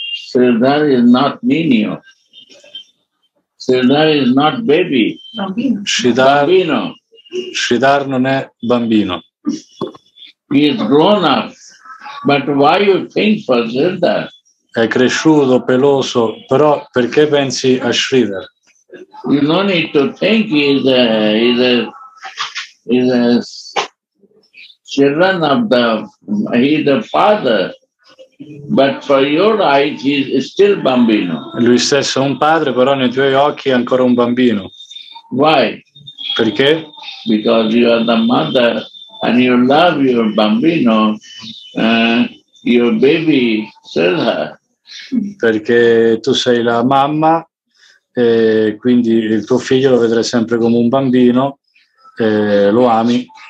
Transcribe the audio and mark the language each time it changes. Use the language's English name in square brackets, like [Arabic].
[English] Sridhar is not menial. Sridhar is not baby. [Italian] Bambino. Sridhar non è bambino. [English] He is grown up. But why you think for Sridhar? [Italian] È cresciuto, peloso, però perché pensi a Sridhar? [English] You don't need to think he's a children of the, he's the father. But for your eyes, he is still bambino. [Italian] Lui stesso è un padre, però nei tuoi occhi è ancora un bambino. [English] Why? [Italian] Perché? [English] Because you are the mother and you love your bambino, your baby, Sridhar. [Italian] Perché tu sei la mamma, e quindi il tuo figlio lo vedrai sempre come un bambino, lo ami.